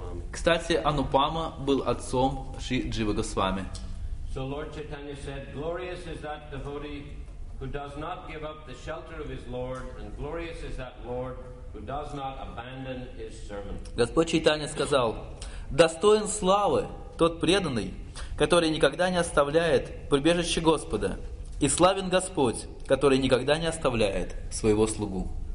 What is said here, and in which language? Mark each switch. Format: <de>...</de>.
<ru>Кстати, Анупама был отцом Шри Джива Госвами.</ru> <en>So Lord Chaitanya said, glorious is that devotee who does not give up the shelter of his Lord, and glorious is that Lord who does not abandon his servant.</en> <ru>Господь Чайтанья сказал: достоин славы тот преданный, который никогда не оставляет прибежище Господа, и славен Господь, который никогда не оставляет своего слугу.</ru>